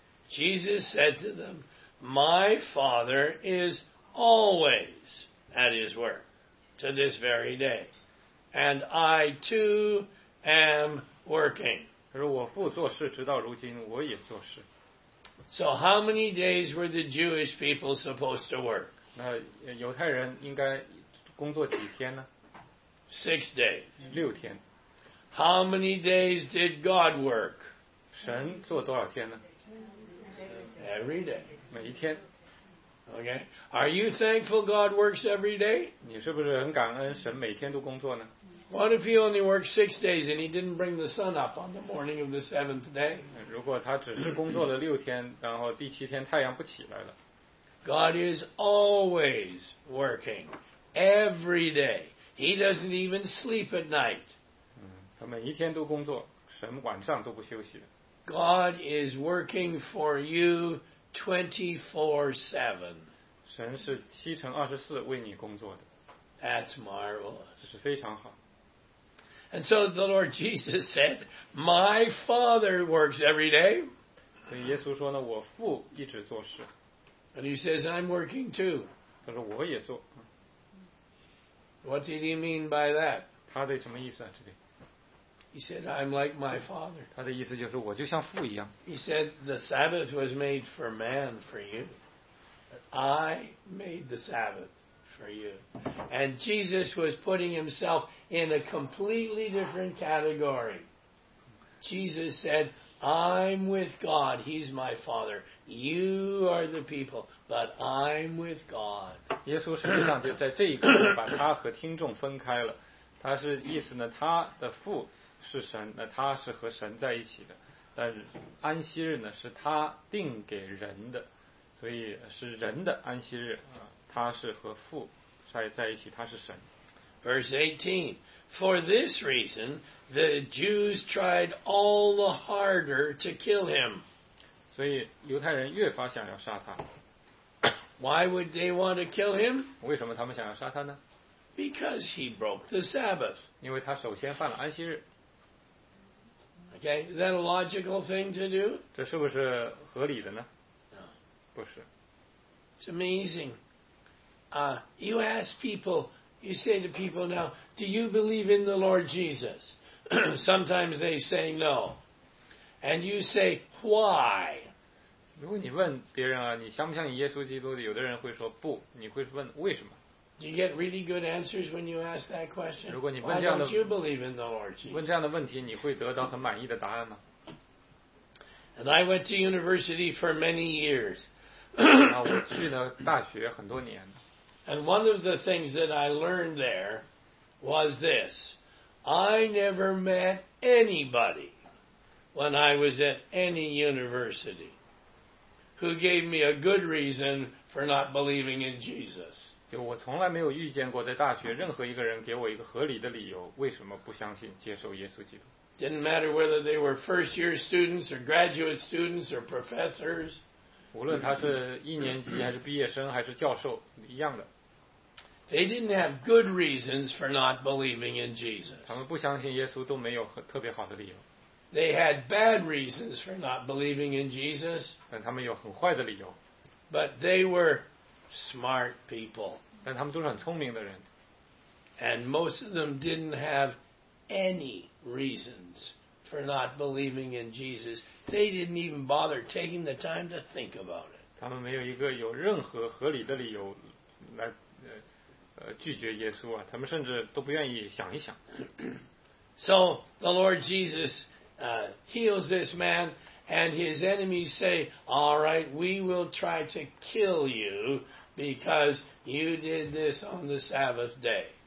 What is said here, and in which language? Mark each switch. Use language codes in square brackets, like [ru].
[en] Jesus said to them, My Father is always at his work. To this very day. And I too am working. [zh] 他说我父做事直到如今我也做事。 [en] So how many days were the Jewish people supposed to work? [zh] 那犹太人应该工作几天呢? [en] 6 days. [zh] 6天。 [en] How many days did God work? [zh] 神做多少天呢? [en] Every day. [zh] 每一天。 [en] Okay. Are you thankful God works every day? [zh] 你是不是很感恩神每天都工作呢? [en] What if he only worked 6 days and he didn't bring the sun up on the morning of the 7th day? [zh] 如果他只是工作了六天，然后第七天太阳不起来了。 [en] God is always working every day. He doesn't even sleep at night. [zh] 他每一天都工作，神晚上都不休息。 [en] God is working for you 24/7. [zh] 神是7×24为你工作的。 [en] That's marvelous. [zh] 这是非常好。 [en] And so the Lord Jesus said, My Father works every day. [zh] 所以耶稣说呢，我父一直做事。 [en] And he says, I'm working too. [zh] 他说我也做。 [en] What did he mean by that? [zh] 他的什么意思啊？这里。 [en] He said, I'm like my father. [zh] 他的意思就是我就像父一样。 [en] He said, the Sabbath was made for man, for you. I made the Sabbath for you. And Jesus was putting himself in a completely different category. Jesus said, I'm with God. He's my father. You are the people, but I'm with God. [zh] 耶稣实际上就在这一刻把他和听众分开了。他是意思呢，他的父是神，那他是和神在一起的，但安息日呢是他定给人的，所以是人的安息日啊，他是和父在一起，他是神。 [en] Verse 18, for this reason the Jews tried all the harder to kill him. [zh] 所以犹太人越发想要杀他。 [en] Why would they want to kill him? [zh] 为什么他们想要杀他呢？ [en] Because he broke the Sabbath. [zh] 因为他首先犯了安息日。 [en] Okay, is that a logical thing to do? [zh] 这是不是合理的呢？ [en] No. [zh] 不是。 [en] It's amazing. You ask people, you say to people now, do you believe in the Lord Jesus? Sometimes they say no. And you say, why? [zh] 如果你问别人啊，你相不相信耶稣基督的，有的人会说不，你会问为什么？ [en] Do you get really good answers when you ask that question? [zh] 如果你问这样的 [en] Why don't you believe in the Lord Jesus? [zh] 问这样的问题，你会得到很满意的答案吗？ [en] And I went to university for many years. [zh] 那我去了大学很多年。 [en] And one of the things that I learned there was this. I never met anybody when I was at any university who gave me a good reason for not believing in Jesus. [zh] 就我从来没有遇见过在大学任何一个人给我一个合理的理由为什么不相信接受耶稣基督。 [en] Didn't matter whether they were first year students or graduate students or professors. [zh] 无论他是一年级还是毕业生还是教授一样的。 [en] They didn't have good reasons for not believing in Jesus. [zh] 他们不相信耶稣都没有特别好的理由。 [en] They had bad reasons for not believing in Jesus. [zh] 但他们有很坏的理由。 [en] But they were... Smart people. [zh] 但他们都是很聪明的人。 [en] And most of them didn't have any reasons for not believing in Jesus. They didn't even bother taking the time to think about it. [zh] 他们没有一个有任何合理的理由来拒绝耶稣啊，他们甚至都不愿意想一想。 [en] So the Lord Jesus heals this man, and his enemies say, "All right, we will try to kill you because you did this on the Sabbath day."